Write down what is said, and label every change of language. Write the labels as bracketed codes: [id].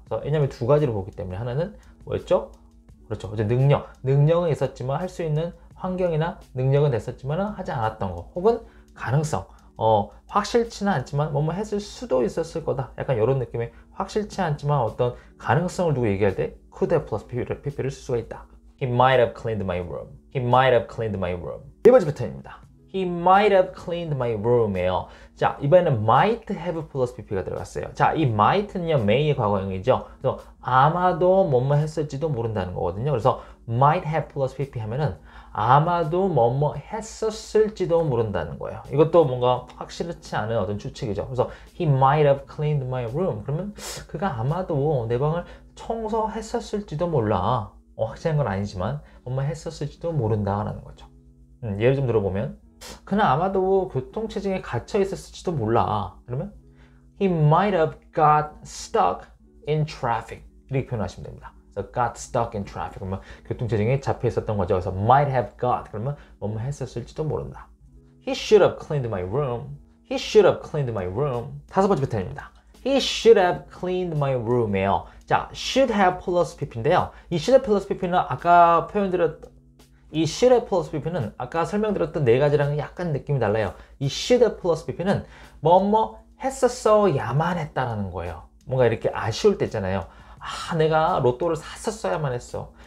[ko] 그래서 왜냐하면 두 가지로 보기 때문에 하나는 뭐였죠? 그렇죠. 이제 능력. 능력은 있었지만 할수 있는 환경이나 능력은 됐었지만 하지 않았던 거. 혹은 가능성. 확실치는 않지만 뭐뭐 했을 수도 있었을 거다. 약간 이런 느낌의 확실치 않지만 어떤 가능성을 두고 얘기할 때 could have plus PP를 쓸 수가 있다. [en] He might have cleaned my room. He might have cleaned my room. [ko] 네 번째 패턴입니다. [en] He might have cleaned my room이에요. [ko] 자, 이번에는 might have plus PP가 들어갔어요. 자, 이 might는요, may의 과거형이죠. 그래서 아마도 뭐뭐 했을지도 모른다는 거거든요. 그래서 might have plus PP 하면은 아마도 뭐뭐 했었을지도 모른다는 거예요. 이것도 뭔가 확실치 않은 어떤 추측이죠. [en] 그래서 he might have cleaned my room. [ko] 그러면 그가 아마도 내 방을 청소했었을지도 몰라. 확실한 건 아니지만 뭐뭐 했었을지도 모른다라는 거죠. 예를 좀 들어보면 그는 아마도 교통체증에 갇혀 있었을지도 몰라. [en] 그러면 he might have got stuck in traffic [ko] 이렇게 표현하시면 됩니다. [en] So got stuck in traffic. [ko] 그러면 교통체증에 잡혀 있었던 거죠. [en] 그래서 might have got. [ko] 그러면 뭐뭐 했었을지도 모른다. [en] He should have cleaned my room. He should have cleaned my room. [ko] 다섯 번째 패턴입니다. [en] He should have cleaned my room이에요. 자, should have plus pp인데요. [ko] 이 should have plus pp는 아까 표현드렸던 이 should have plus pp는 아까 설명드렸던 네 가지랑은 약간 느낌이 달라요. 이 should have plus pp는 뭐뭐 했었어야만 했다라는 거예요. 뭔가 이렇게 아쉬울 때 있잖아요. 아, 내가 로또를 샀었어야만 했어.